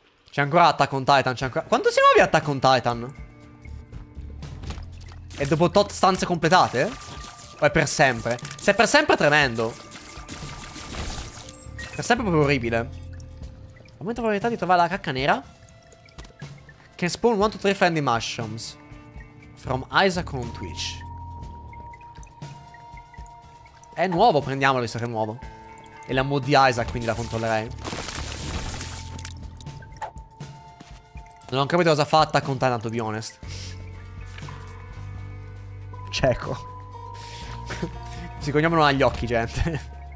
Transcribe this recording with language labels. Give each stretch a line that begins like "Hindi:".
Italian: C'è ancora Attack on Titan, c'è ancora... Quanto siamo di Attack on Titan? E dopo tot stanze completate? O è per sempre? Se è per sempre è tremendo. Per sempre è proprio orribile. Aumenta la probabilità di trovare la cacca nera.
English: Can spawn 1 to 3 friendly mushrooms. From Isaac on Twitch.
Italian: È nuovo, prendiamolo visto che è nuovo. E la mod di Isaac, quindi la controllerei. Non ho capito cosa fa Attack on Titan,
English: to be honest.
Italian: Cieco. Si cogliamo agli occhi, gente.